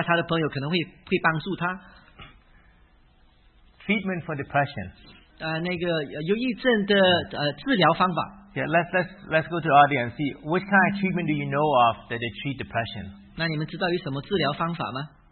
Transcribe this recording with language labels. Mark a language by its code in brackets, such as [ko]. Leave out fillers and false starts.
[zh] 那其实这样子，其实那女人的状况比较好，因为她会有朋友跟她一起喝酒，那她的朋友可能会帮助她。 [en] Treatment for depression. [zh] 那个忧郁症的治疗方法。 [en] Yeah, let's go to the audience. See, which kind of treatment do you know of that they treat depression? [zh] 那你们知道有什么治疗方法吗？